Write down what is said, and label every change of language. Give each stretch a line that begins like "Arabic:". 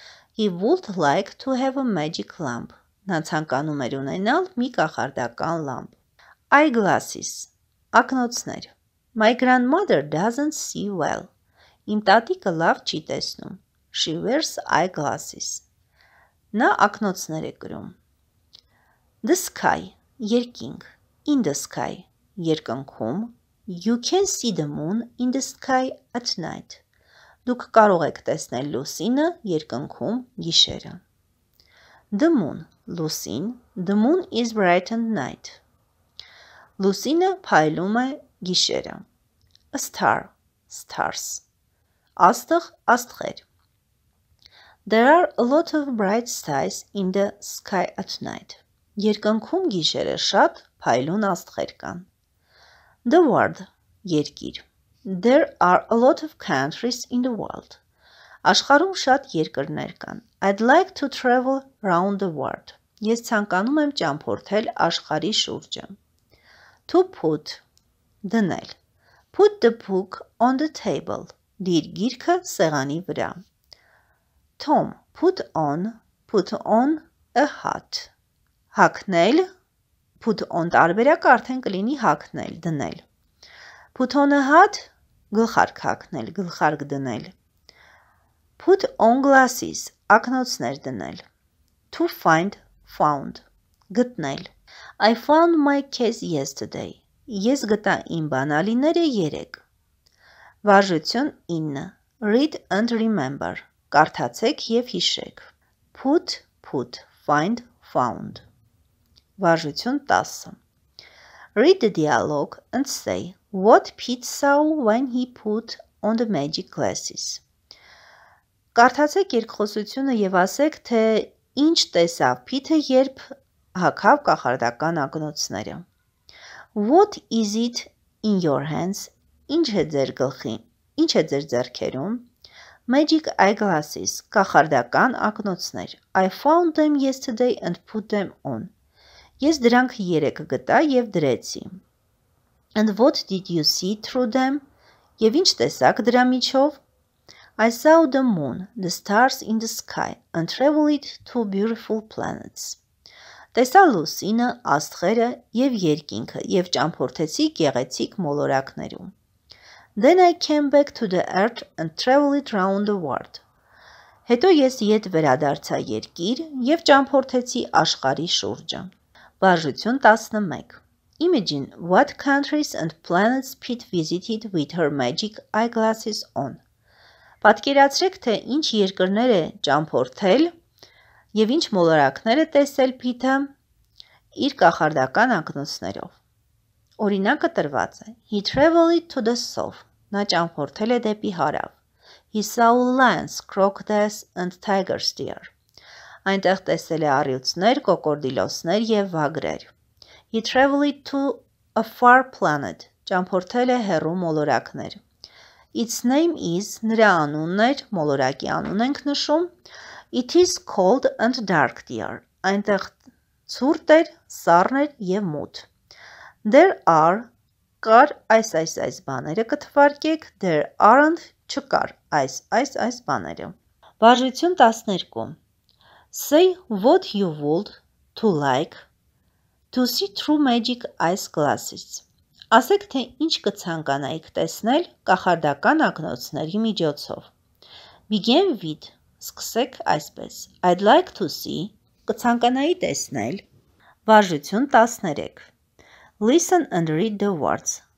English: He would like to have a magic lamp.
Armenian: Նա ցանկանում էր ունենալ մի կախարդական lamp.
English: Eyeglasses.
Armenian: Ակնոցներ.
English: My grandmother doesn't see well.
Armenian: Իմ տատիկը լավ չի տեսնում.
English: She wears eyeglasses.
Armenian: Նա ակնոցներ է կրում.
English: The sky.
Armenian: Երկինք.
English: In the sky.
Armenian: Երկնքում.
English: You can see the moon in the sky at night.
Armenian: Դուք կարող եք տեսնել լուսինը երկնքում գիշերը.
English: The moon.
Armenian: Լուսին.
English: The moon is bright at night.
Armenian: Լուսինը փայլում է գիշերը.
English: A star. Stars.
Armenian: Աստղ, աստղեր.
English: There are a lot of bright stars in the sky at night.
Armenian: Երկնքում գիշերը շատ փայլուն աստղեր կան.
English: The world.
Armenian: Երկիր.
English: There are a lot of countries in the world.
Armenian: Աշխարհում շատ երկրներ կան.
English: I'd like to travel round the world.
Armenian: Ես ցանկանում եմ ճամփորդել աշխարհի շուրջը.
English: To put.
Armenian: Դնել.
English: Put the book on the table.
Armenian: Դիր գիրքը սեղանի վրա.
English: Tom, put on a hat.
Armenian: Հագնել, put on տարբերակը արդեն կլինի հագնել, դնել.
English: Put on a hat,
Armenian: գլխարկ հագնել, գլխարկ դնել.
English: Put on glasses,
Armenian: ակնոցներ դնել.
English: To find, found,
Armenian: գտնել.
English: I found my keys yesterday.
Armenian: Ես գտա իմ բանալիները երեք. Վարժություն 9.
English: Read and remember.
Armenian: Կարդացեք եւ հիշեք.
English: Put, put, find, found.
Armenian: Վարժություն 10.
English: Read the dialogue and say what Pete saw when he put on the magic glasses.
Armenian: Կարդացեք երկխոսությունը եւ ասեք, թե ինչ տեսավ Pete, երբ հագավ կախարդական ակնոցները.
English: What is it in your hands?
Armenian: Ինչ է ձեր գլխի, ինչ է ձեր ձեռքերում?
English: Magic eyeglasses,
Armenian: կախարդական ակնոցներ.
English: I found them yesterday and put them on.
Armenian: Ես դրանք երեկ գտա եւ դրեցի.
English: And what did you see through them?
Armenian: Եվ ինչ տեսակ դրա միջով?
English: I saw the moon, the stars in the sky, and traveled to beautiful planets.
Armenian: Տեսա լուսինը, աստղերը եւ երկինքը եւ ճամփորդեցի գեղեցիկ մոլորակներում.
English: Then I came back to the earth and traveled round the world.
Armenian: Հետո ես ետ վերադարձա երկիր եւ ճամփորդեցի աշխարհի շուրջը. Բաժություն 11.
English: Imagine what countries and planets Pete visited with her magic eyeglasses on.
Armenian: Պատկերացրեք, թե ինչ երկրներ է ճամփորդել եւ ինչ մոլորակներ է տեսել Pete-ը իր կախարդական ակնոցներով. Օրինակը տրված է.
English: He traveled to the south.
Armenian: Նա ճամփորդել է դեպի հարավ.
English: He saw lions, crocodiles and tigers there.
Armenian: Այնտեղ տեսել է առյուծներ, կոկորդիլոսներ եւ վագրեր.
English: He traveled to a far planet.
Armenian: Ճամփորդել է հեռու մոլորակներ.
English: Its name is,
Armenian: նրա անունն է, մոլորակի անուն ենք նշում.
English: It is cold and dark there.
Armenian: Այնտեղ ցուրտ էր, սառն էր եւ մութ.
English: There are,
Armenian: կար այս բաները կթվարկեք,
English: there aren't,
Armenian: չկար այս բաները. Բաժություն 12.
English: Say what you would to like to see through magic eyes glasses.
Armenian: Ասեք, թե ինչ կցանկանայիք տեսնել կախարդական ակնոցների միջոցով.
English: Begin with,
Armenian: սկսեք այսպես.
English: I'd like to see,
Armenian: կցանկանայի տեսնել. Բաժություն 13.
English: Listen and read the words.